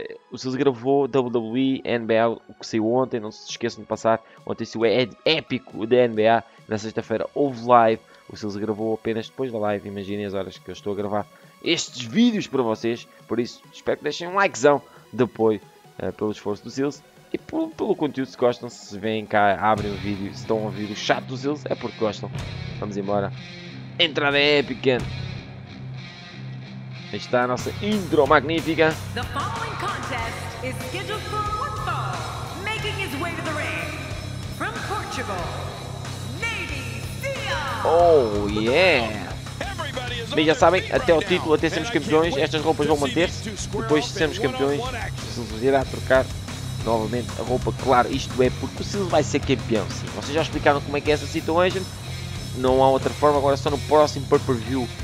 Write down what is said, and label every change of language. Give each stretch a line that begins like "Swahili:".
Portuguese: o Silas gravou WWE, NBA, o que saiu ontem, não se esqueçam de passar, ontem saiu épico da NBA, na sexta-feira houve live, o Silas gravou apenas depois da live, imaginem as horas que eu estou a gravar estes vídeos para vocês, por isso espero que deixem um likezão de apoio pelo esforço do Silas e pelo conteúdo, se gostam, se vêm cá, abrem o vídeo, se estão a ouvir o chato do Silas, é porque gostam, vamos embora, entrada épica! Aí está a nossa intro magnífica.
English: The following contest is scheduled for one fall, making his way to the ring from Portugal, Navy Seal.
Portuguese: Oh yeah! Bem, já sabem, até o título, até sermos campeões, estas roupas vão manter-se. Depois de sermos campeões, se nos irá trocar novamente a roupa, claro, isto é porque o Silas vai ser campeão. Sim, vocês já explicaram como é que é essa situação. Não há outra forma, agora só no próximo pay-per-view.